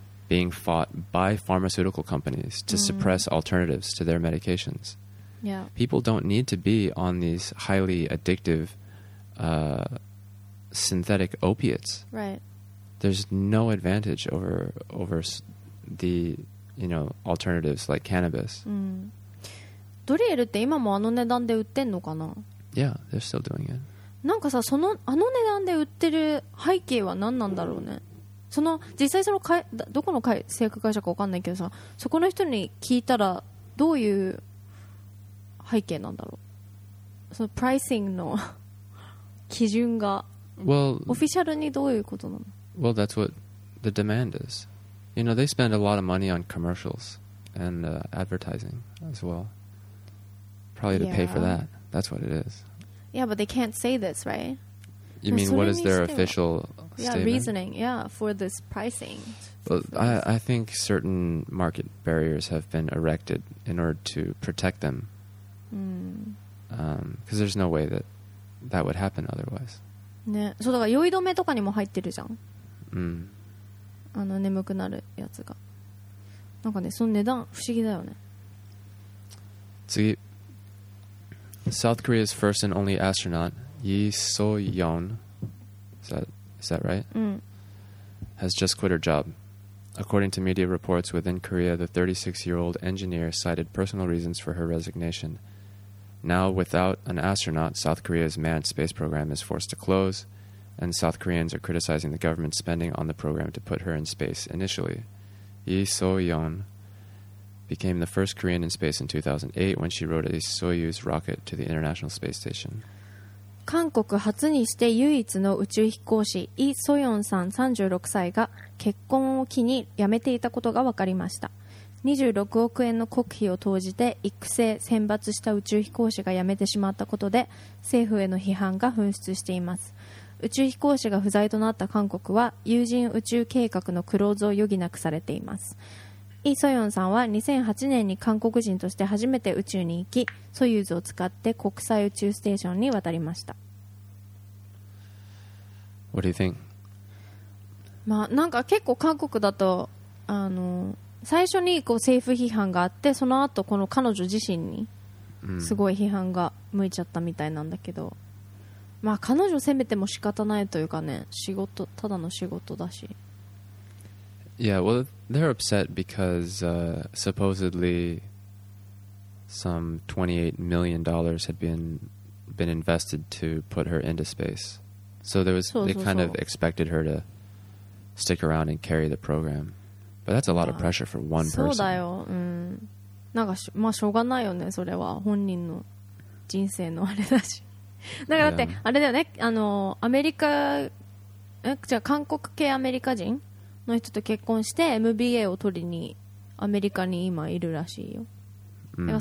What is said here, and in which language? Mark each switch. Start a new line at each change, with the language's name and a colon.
English: being fought by pharmaceutical companies to suppress alternatives to their medications. Yeah. People don't need to be on these highly addictive synthetic opiates. Right. There's no advantage over the, you know, alternatives like cannabis.
Japanese: ドリエルって今もあの値段で売ってんのかな?
English: Yeah, they're still doing it.
Japanese: なんかさ、その、あの値段で売ってる背景は何なんだろうね。その、実際その、どこの製薬会社か分かんないけどさ、そこの人に聞いたらどういう背景なんだろう。そのプライシングの基準が、
English: well,
Japanese: オフィシャルにどういうことなの?
English: Well, that's what the demand is. You know, they spend a lot of money on commercials and advertising as well. Probably to pay for that. That's what it is. Yeah, but they can't say this, right? You mean what is their official statement? Yeah, reasoning, yeah, for this pricing. Well, I think certain market barriers have been erected in order to protect them. Because there's no way that that would happen otherwise.
Japanese: ね、そうだから酔い止めとかにも入ってるじゃん。うん。あの眠くなるやつが。なんかね、その値段不思議だよね。次。
English: South Korea's first and only astronaut, Yi So-yeon, is that right? Has just quit her job. According to media reports within Korea, the 36-year-old engineer cited personal reasons for her resignation. Now, without an astronaut, South Korea's manned space program is forced to close, and South Koreans are criticizing the government's spending on the program to put her in space initially. Yi So-yeon... became the first Korean in space in 2008 when she rode a Soyuz rocket to the International Space Station.
Japanese: 韓国初にして唯一の宇宙飛行士イ・ソヨンさん36歳が結婚を機に辞めていたことが分かりました。 26億円の国費を投じて育成・選抜した宇宙飛行士が辞めてしまったことで政府への批判が噴出しています。宇宙飛行士が不在となった韓国は有人宇宙計画のクローズを余儀なくされています。イ・ソヨンさんは2008年に韓国人として初めて宇宙に行き、ソユーズを使って国際宇宙ステーションに渡りました。
English: What do you think?
Japanese: まあ、なんか結構韓国だと、最初にこう政府批判があって、その後この彼女自身にすごい批判が向いちゃったみたいなんだけど、まあ彼女責めても仕方ないというかね、仕事、ただの仕事だし。
English: Yeah, well, they're upset because supposedly some $28 million had been invested to put her into space. So there was, they kind of expected her to stick around and carry the program. But that's a lot of pressure for one person.
Japanese: そうだよ。なんか、まあ、しょうがないよね、それは。本人の人生のあれだし。なんかだって、あれだよね、あの、アメリカ、え、じゃあ韓国系アメリカ人? の人と結婚して MBA を取りにアメリカに今いるらしいよ。